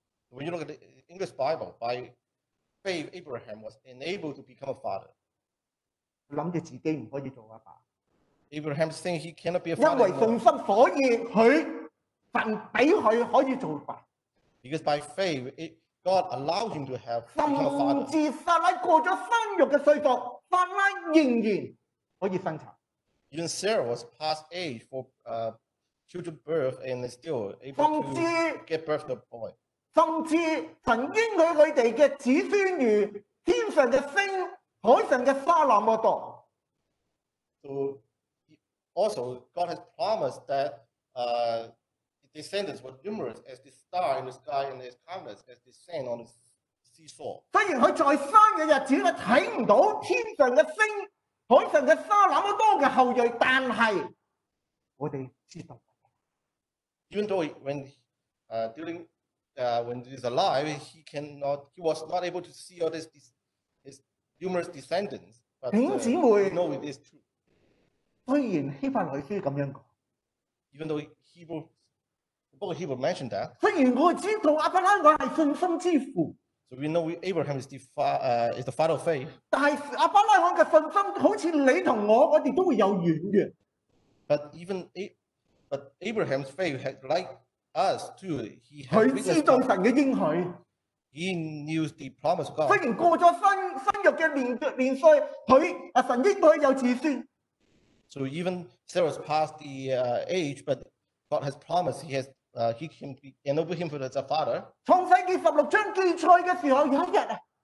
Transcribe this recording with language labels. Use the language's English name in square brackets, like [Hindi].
[English] When you look at the English Bible, by faith Abraham was unable to become a father. [Cantonese] 谂住自己唔可以做阿爸。 [English] Abraham saying he cannot be a father. [Cantonese] 因为信心，所以佢神俾佢可以做爸。 [English] Because by faith, God allowed him to have become a father. [Cantonese] 甚至撒拉过咗生育嘅岁数，撒拉仍然可以生产。 [English] Even Sarah was past age for Children birth and still able to get birth to a boy. [Cantonese] 甚至神应许佢哋嘅子孙如天上嘅星、海上嘅沙那么多。 [English] So also God has promised that descendants were numerous as the star in the sky and as countless as the sand on the seashore. [Cantonese] 虽然佢在生嘅日子咧睇唔到天上嘅星、海上嘅沙那么多嘅后裔，但系我哋知道。 [English] Even though when he is alive, he was not able to see all his numerous descendants. But we know it is true. [Cantonese] 虽然希伯来书咁样讲 [English] ，even though the book of Hebrews mentioned that. [Cantonese] 虽然我知道亚伯拉罕系信心之父 [English] ，so we know Abraham is the father of faith. [Cantonese] 但系亚伯拉罕嘅信心，好似你同我哋都会有远嘅。 [English] But Abraham's faith had like us too. He had He knew the promise of God. [Cantonese] 虽然过咗生育嘅年岁，神应许有子孙。 [English] So even Sarah's past the age, but God has promised he can enable him as a father. [Cantonese] 创世纪十六章记载嘅时候，有一日。